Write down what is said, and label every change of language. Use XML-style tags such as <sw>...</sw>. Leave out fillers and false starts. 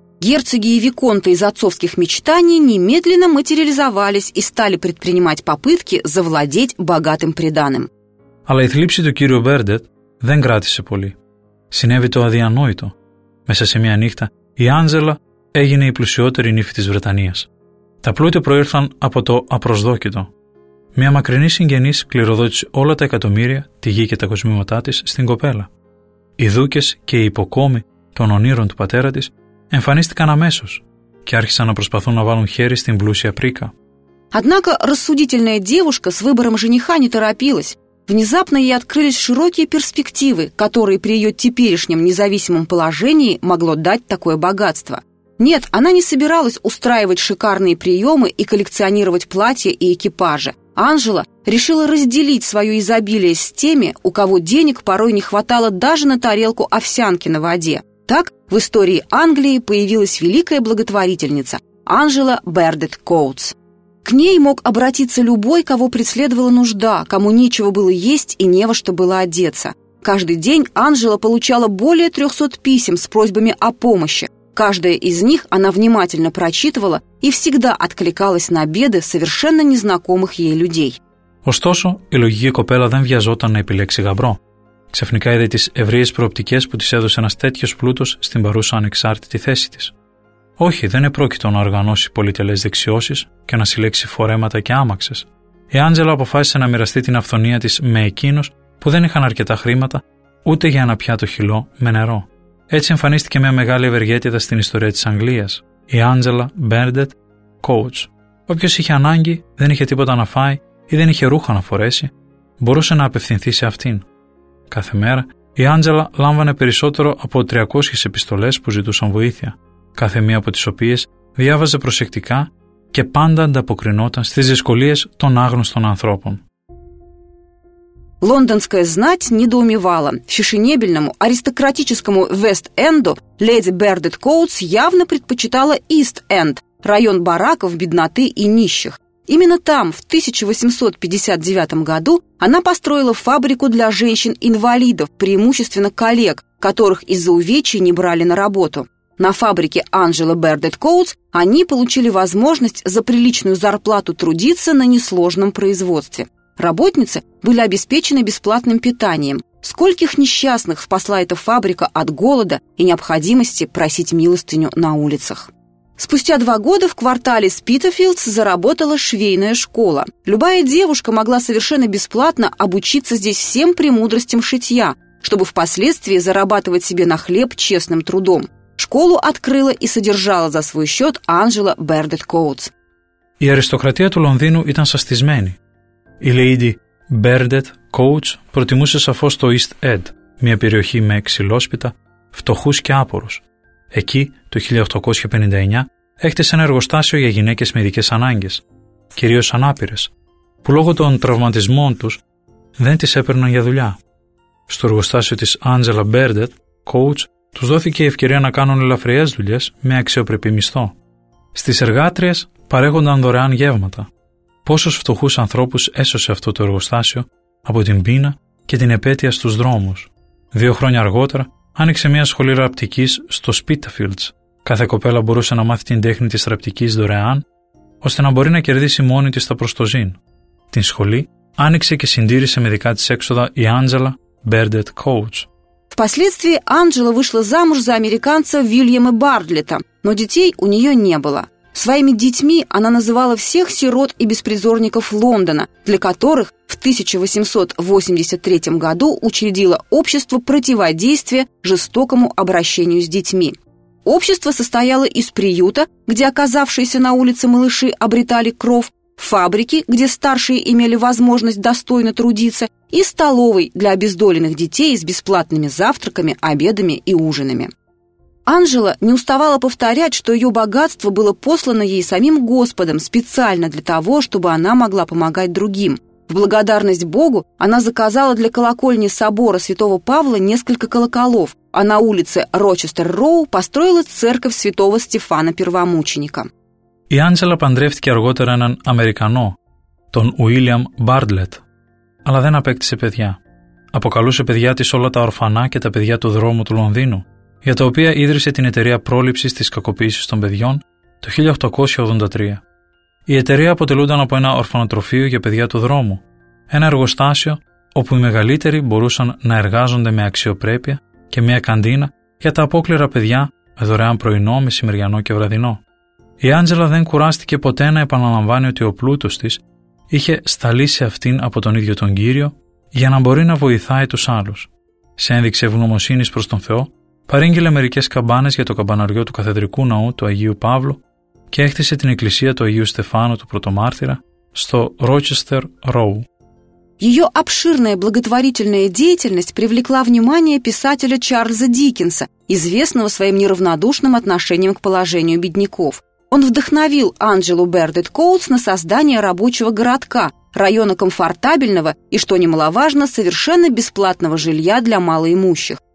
<ru>Герцоги и виконты из отцовских мечтаний немедленно материализовались и стали предпринимать попытки завладеть богатым приданым.</ru> <el>Але и тлипси ту кирю Бердет дэн кратисе поли. Συνέβη το αδιανόητο. Μέσα σε μια νύχτα, η Άντζελα έγινε η πλουσιότερη νύφη της Βρετανίας. Τα πλούτη προήρθαν από το απροσδόκητο. Μια μακρινή συγγενής κληροδότησε όλα τα εκατομμύρια, τη γη και τα κοσμήματά της, στην κοπέλα. Οι δούκες και οι υποκόμοι των ονείρων του πατέρα της εμφανίστηκαν αμέσως και άρχισαν να προσπαθούν να βάλουν χέρι στην πλούσια πρίκα.</el> <ru>Однако рассудительная девушка с выбором жениха не торопилась. Внезапно ей открылись широкие перспективы, которые при ее теперешнем независимом положении могло дать такое богатство. Нет, она не собиралась устраивать шикарные приемы и коллекционировать платья и экипажи. Анжела решила разделить свое изобилие с теми, у кого денег порой не хватало даже на тарелку овсянки на воде. Так в истории Англии появилась великая благотворительница Анжела Бердет Коутс. К ней мог обратиться любой, кого преследовала нужда, кому нечего было есть и не во что было одеться. Каждый день Анжела получала более 300 писем с просьбами о помощи. Каждое из них она внимательно прочитывала и всегда откликалась на беды совершенно незнакомых ей людей.</ru> <el>Ωστόσο, η λογική κοπέλα δεν βιαζόταν να επιλέξει γαμπρό. Ξαφνικά είδε τις ευρείες προοπτικές που της έδωσε ένας τέτοιος πλούτος στην παρούσα ανεξάρτητη θέση της. Όχι, δεν επρόκειτο να οργανώσει πολυτελές δεξιώσεις και να συλλέξει φορέματα και άμαξες. Η Άντζελα αποφάσισε να μοιραστεί την αυθονία της με εκείνους που δεν είχαν αρκετά χρήματα ούτε για ένα πιάτο χυλό με νερό. Έτσι εμφανίστηκε μια μεγάλη ευεργέτητα στην ιστορία της Αγγλίας, η Άντζελα Μπέρντετ Κόουτς. Όποιος είχε ανάγκη, δεν είχε τίποτα να φάει ή δεν είχε ρούχα να φορέσει, μπορούσε να απευθυνθεί σε αυτήν. Κάθε μέρα η Άντζελα λάμβανε περισσότερο από 300 επιστολές που ζητούσαν βοήθεια, κάθε μία από τις οποίες διάβαζε προσεκτικά και πάντα ανταποκρινόταν στις δυσκολίες των άγνωστων ανθρώπων.</el> <ru>Лондонская знать недоумевала. Фешенебельному, аристократическому Вест-Энду леди Бердет Коутс явно предпочитала Ист-Энд, район бараков, бедноты и нищих. Именно там, в 1859 году, она построила фабрику для женщин-инвалидов, преимущественно коллег, которых из-за увечий не брали на работу. На фабрике Анжелы Бердет Коутс они получили возможность за приличную зарплату трудиться на несложном производстве. Работницы были обеспечены бесплатным питанием, Скольких несчастных спасла эта фабрика от голода и необходимости просить милостыню на улицах. Спустя 2 года в квартале Спитафилдс заработала швейная школа. Любая девушка могла совершенно бесплатно обучиться здесь всем премудростям шитья, чтобы впоследствии зарабатывать себе на хлеб честным трудом. Школу открыла и содержала за свой счет Анжела Бердетт Коутс.</ru> <el>Η αριστοκρατία του Λονδίνου ήταν σαστισμένη. Η Lady Bernadette Coates προτιμούσε σαφώς το East End, μια περιοχή με ξυλόσπιτα, φτωχούς και άπορους. Εκεί, το 1859, έχτισε ένα εργοστάσιο για γυναίκες με ειδικές ανάγκες, κυρίως ανάπηρες, που λόγω των τραυματισμών τους δεν τις έπαιρναν για δουλειά. Στο εργοστάσιο της Angela Bernadette Coates τους δόθηκε η ευκαιρία να κάνουν ελαφριές δουλειές με αξιοπρεπή μισθό. Στις εργάτριες παρέχονταν δωρεάν γεύματα. Πόσους φτωχούς ανθρώπους έσωσε αυτό το εργοστάσιο από την πείνα και την επέτεια στους δρόμους. 2 χρόνια αργότερα άνοιξε μια σχολή ραπτικής στο Spitalfields. Κάθε κοπέλα μπορούσε να μάθει την τέχνη της ραπτικής δωρεάν, ώστε να μπορεί να κερδίσει μόνη της τα προστοζήν. Την σχολή άνοιξε και συντήρησε με δικά της έξοδα η Angela Bernadett Coates.</el> <ru>Впоследствии Анджела вышла замуж за американца Вильяма Бартлета, но детей у нее не было. Своими детьми она называла всех сирот и беспризорников Лондона, для которых в 1883 году учредила общество противодействия жестокому обращению с детьми. Общество состояло из приюта, где оказавшиеся на улице малыши обретали кров, фабрики, где старшие имели возможность достойно трудиться, и столовой для обездоленных детей с бесплатными завтраками, обедами и ужинами. Анжела не уставала повторять, что ее богатство было послано ей самим Господом специально для того, чтобы она могла помогать другим. В благодарность Богу она заказала для колокольни собора святого Павла несколько колоколов, а на улице Рочестер-Роу построила церковь святого Стефана Первомученика.</ru> <el>Η Άντζελα παντρεύτηκε αργότερα έναν Αμερικανό, τον Ουίλιαμ Μπάρτλετ, αλλά δεν απέκτησε παιδιά. Αποκαλούσε παιδιά της όλα τα ορφανά και τα παιδιά του δρόμου του Λονδίνου, για τα οποία ίδρυσε την Εταιρεία Πρόληψης της Κακοποίησης των Παιδιών το 1883. Η εταιρεία αποτελούνταν από ένα ορφανοτροφείο για παιδιά του δρόμου, ένα εργοστάσιο όπου οι μεγαλύτεροι μπορούσαν να εργάζονται με αξιοπρέπεια και μια καντίνα για τα απόκληρα παιδιά με δωρεάν πρωινό, μεσημεριανό και βραδινό. Η Άντζελα δεν κουράστηκε ποτέ να επαναλαμβάνει ότι ο πλούτος της είχε σταλίσει αυτήν από τον ίδιο τον Κύριο για να μπορεί να βοηθάει τους άλλους. Σε ένδειξη ευγνωμοσύνης προς τον Θεό, παρήγγειλε μερικές καμπάνες για το καμπαναριό του καθεδρικού ναού του Αγίου Παύλου και έχτισε την εκκλησία του Αγίου Στεφάνου του Πρωτομάρτυρα στο Rochester Row.</el> <ru>Ее обширная благотворительная деятельность привлекла внимание писателя Чарльза Диккенса, известного своим неравнодушным отношением к положению бедняков. Он вдохновил Анджелу Бернадетт Коутс на создание рабочего городка, района комфортабельного и, что немаловажно, совершенно бесплатного жилья для малоимущих.</ru>